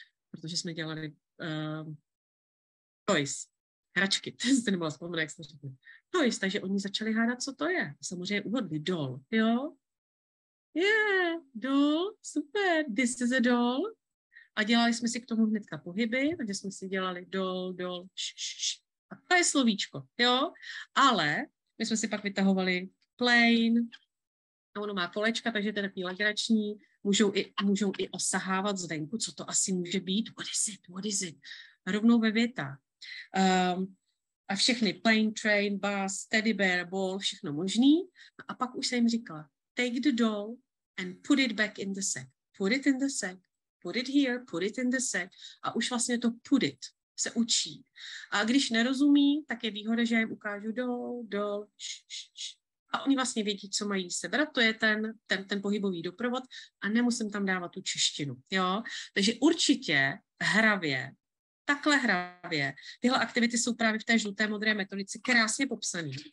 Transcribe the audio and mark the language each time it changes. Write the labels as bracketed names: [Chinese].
[Czech] Protože jsme dělali... Toys, hračky, to jste nemohla vzpomínat, jak jste řekli. Toys, takže oni začali hádat, co to je. Samozřejmě uhodli doll, jo? [English] Yeah, doll, super, this is a doll. [Czech] A dělali jsme si k tomu hnedka pohyby, takže jsme si dělali doll, šššš. A to je slovíčko, jo? Ale my jsme si pak vytahovali plane, a ono má kolečka, takže to je takový legrační. Můžou i osahávat zvenku, co to asi může být. [English] What is it? [Czech] Rovnou ve věta. A všechny, plane, train, bus, teddy bear, ball, všechno možný. A pak už se jim říkala, [English] take the doll and put it back in the sack. Put it in the sack, put it here, put it in the sack. [Czech] A už vlastně to put it se učí. A když nerozumí, tak je výhoda, že jim ukážu doll, šššš. A oni vlastně vědí, co mají sebrat, to je ten pohybový doprovod a nemusím tam dávat tu češtinu, jo. Takže určitě hravě, takhle hravě, tyhle aktivity jsou právě v té žluté modré metodice krásně popsané.